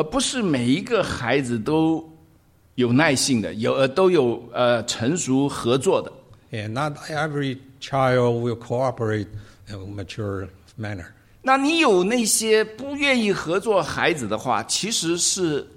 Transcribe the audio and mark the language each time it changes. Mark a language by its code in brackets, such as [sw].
[zh] 不是每一个孩子都有耐性的，都有成熟合作的。 [en] And not every child will cooperate in a mature manner. [zh] 那你有那些不愿意合作孩子的话，其实是。